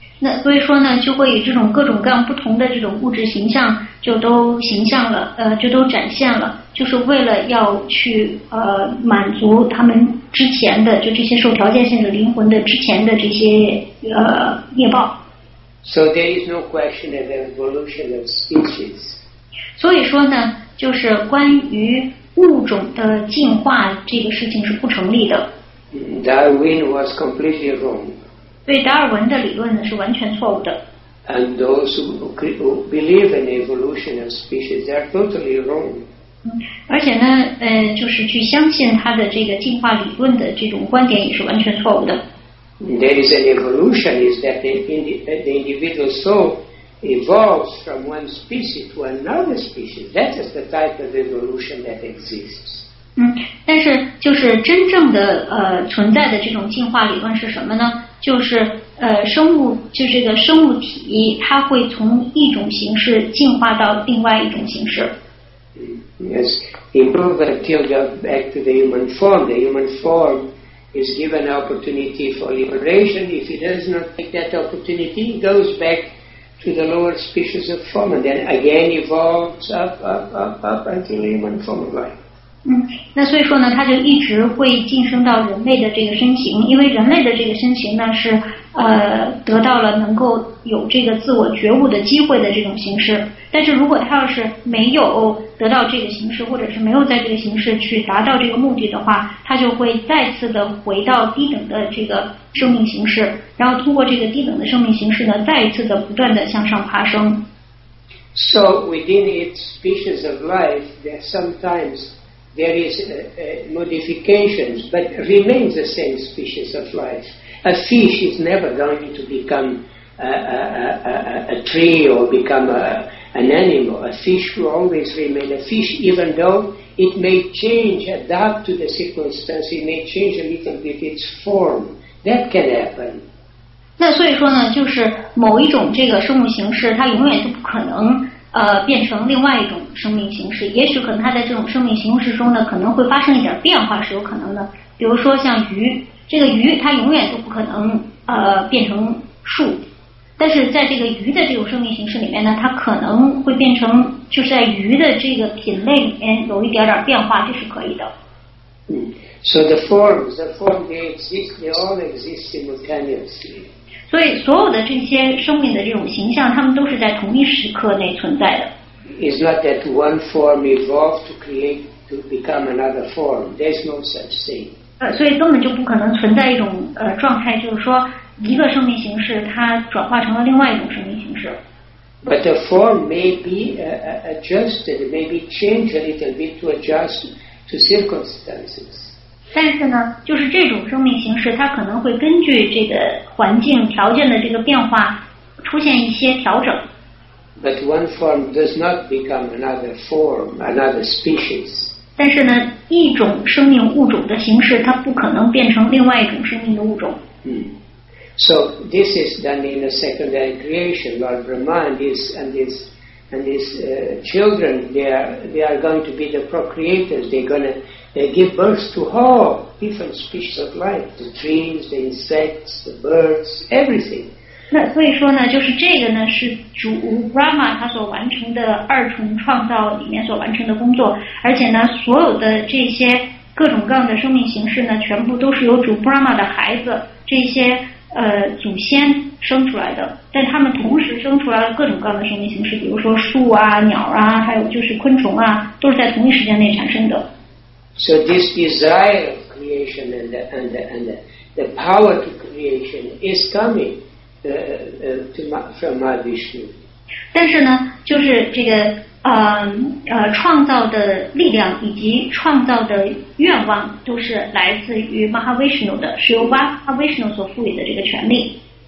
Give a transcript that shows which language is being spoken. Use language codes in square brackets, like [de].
[zh] 那所以说呢，就会以这种各种各样不同的这种物质形象，就都形象了，就都展现了，就是为了要去满足他们之前的，就这些受条件限制灵魂的之前的这些业报。 [en] So there is no question of evolution of species. [zh] 所以说呢，就是关于物种的进化这个事情是不成立的。 [en] Darwin was completely wrong. [zh] 对达尔文的理论呢是完全错误的。 [en] And those who believe in evolution of species are totally wrong. [zh] 而且呢，就是去相信他的这个进化理论的这种观点也是完全错误的。 [en] There is an evolution, is that the individual soul evolves from one species to another species. That is the type of evolution that exists. [zh] 但是就是真正的存在的这种进化理论是什么呢？就是生物，就是这个生物体，它会从一种形式进化到另外一种形式。 [en] Yes, improve until you go back to the human form. The human form is given an opportunity for liberation. If he does not take that opportunity, he goes back to the lower species of form, and then again evolves up until human form of life. [zh] 那所以说呢，他就一直会晋升到人类的这个身形，因为人类的这个身形呢是得到了能够有这个自我觉悟的机会的这种形式。但是如果他要是没有得到这个形式，或者是没有在这个形式去达到这个目的的话，他就会再次的回到低等的这个生命形式，然后通过这个低等的生命形式呢，再一次的不断的向上爬升。 [en] So within its species of life, there sometimes. There is modifications, but remains the same species of life. A fish is never going to become a tree or become an animal, a fish will always remain a fish, even though it may change, adapt to the circumstance, it may change a little bit its form. That can happen. [zh] 那所以说呢，就是某一种这个生物形式，它永远都不可能变成另外一种生命形式。也许可能它在这种生命形式中呢，可能会发生一点变化是有可能的。比如说像鱼，这个鱼它永远都不可能变成树，但是在这个鱼的这种生命形式里面呢，它可能会变成就是在鱼的这个品类里面有一点点变化，这是可以的。嗯。 [en] So the form they exist, they all exist simultaneously. [zh] 所以所有的这些生命的这种形象，它们都是在同一时刻内存在的。 [en] It's not that one form evolved to create to become another form. There's no such thing. [zh] 所以根本就不可能存在一种状态，就是说一个生命形式它转化成了另外一种生命形式。 [en] But the form may be adjusted, may be changed a little bit to adjust to circumstances. [zh] 但是呢，就是这种生命形式，它可能会根据这个环境条件的这个变化，出现一些调整。 [en] But one form does not become another form, another species. [zh] 但是呢，一种生命物种的形式，它不可能变成另外一种生命的物种。 [en] So this is done in a secondary creation. Lord Brahma and his children, they are going to be the procreators. They give birth to all different species of life, the trees, the insects, the birds, everything. [zh] 那所以说呢，就是这个呢是主 Brahma 他所完成的二重创造里面所完成的工作，而且呢，所有的这些各种各样的生命形式呢，全部都是由主 Brahma 的孩子这些祖先生出来的，但他们同时生出来了各种各样的生命形式，比如说树啊、鸟啊，还有就是昆虫啊，都是在同一时间内产生的。 [en] So this desire of creation and the power to creation is coming from Mahavishnu. [zh] 但是呢，就是这个创造的力量以及创造的愿望都是来自于 Mahavishnu 的，是由 Mahavishnu 所赋予的这个权利。